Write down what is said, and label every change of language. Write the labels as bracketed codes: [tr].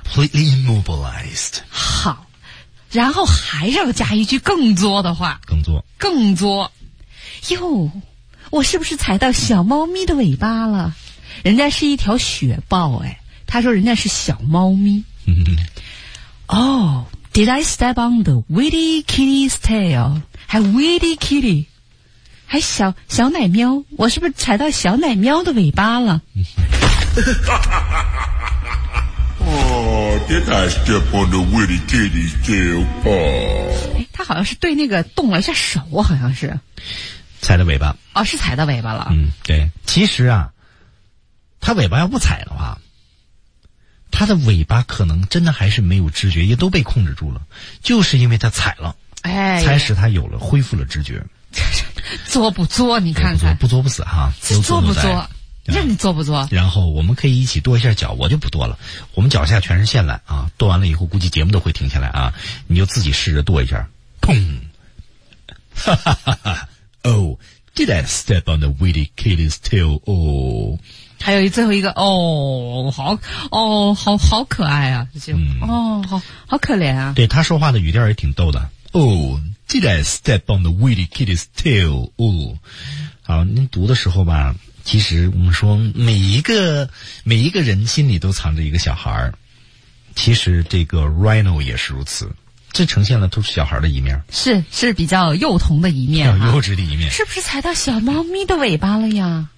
[en] Completely immobilized. [zh] 好。然后还要加一句更作的话。更作。更作。哟，我是不是踩到小猫咪的尾巴了？人家是一条雪豹，哎，他说人家是小猫咪。 [en] Oh, did I step on the witty kitty's tail? [zh] 还 [en] witty kitty? [zh] 还小奶喵，我是不是踩到小奶喵的尾巴了？ [en] Oh, did I step on the witty kitty's tail? Oh. [zh] 他好像是对那个动了一下手，好像是。踩到尾巴。哦，是踩到尾巴了。嗯，对。其实啊，他尾巴要不踩的话，他的尾巴可能真的还是没有知觉，也都被控制住了，就是因为他踩了，哎，才使他有了恢复了知觉。作不作？你看看，不作不死哈，作不作？任你作不作？然后我们可以一起跺一下脚，我就不跺了，我们脚下全是线缆啊，跺完了以后估计节目都会停下来啊，你就自己试着跺一下，砰！ [en] 哈哈哈哈 ！Oh, did I step on the witty kitty's tail? Oh. [zh] 还有最后一个哦，好哦，好好可爱啊，就、嗯、哦，好可怜啊。对，他说话的语调也挺逗的。 [en] Oh, did I step on the witty kitty's tail? Oh, [zh] 好，您读的时候吧，其实我们说每一个人心里都藏着一个小孩，其实这个 Rhino 也是如此。这呈现了都是小孩的一面，是比较幼童的一面、啊，幼稚的一面，是不是踩到小猫咪的尾巴了呀？